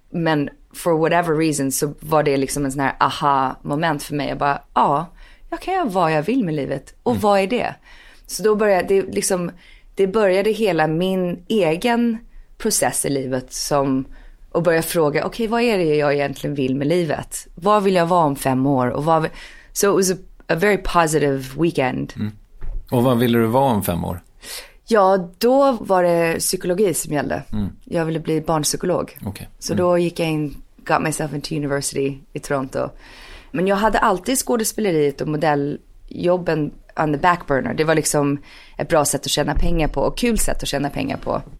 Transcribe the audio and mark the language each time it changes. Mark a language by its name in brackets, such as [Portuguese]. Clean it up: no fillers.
[Swedish] Men for whatever reason så var det liksom en sån här aha-moment för mig. Jag bara, jag kan göra vad jag vill med livet. Och vad är det? Så då började det liksom, det började hela min egen process i livet som att börja fråga, okej, vad är det jag egentligen vill med livet? Vad vill jag vara om 5 år? Och vad [English] so it was a very positive weekend. [Swedish] Mm. Och vad ville du vara om 5 år? Ja, då var det psykologi som gällde. Mm. Jag ville bli barnpsykolog. Okay. Mm. Så då gick jag in, [English] got myself into university [Swedish] i Toronto. Men jag hade alltid skådespeleriet och modelljobben [English] on the back burner. [Swedish] Det var liksom ett bra sätt att tjäna pengar på, och kul sätt att tjäna pengar på.